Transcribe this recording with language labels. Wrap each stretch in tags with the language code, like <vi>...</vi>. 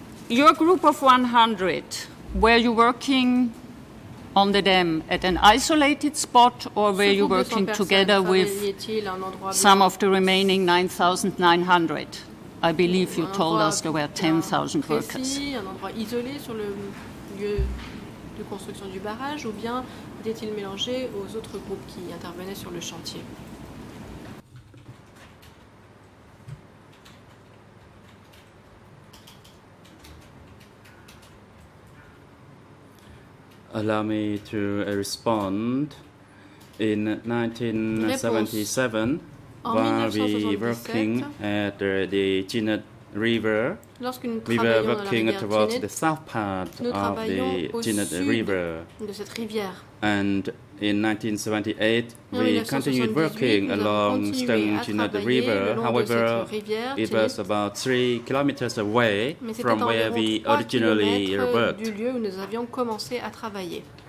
<en>Your group of 100, were you working on the dam at an isolated spot or were you working together with some of the remaining 9,900? I believe you told us there were 10,000 workers.</en> <fr>Un endroit isolé sur le lieu de construction du barrage ou bien était-il mélangé aux autres groupes qui intervenaient sur le chantier?</fr> <en>Allow me to respond. In 1977, while we were working at the Jeannette River, we were working towards Jeannette, the south part of the Jeannette River.</en> <fr>De cette rivière.</fr> <en>And in 1978, we continued working along Stone Jeannette River. However,</en> <fr>rivière,</fr> <en>it was about 3 kilometers away from where we originally worked.</en> <fr>Du lieu où nous avions commencé à travailler.</fr>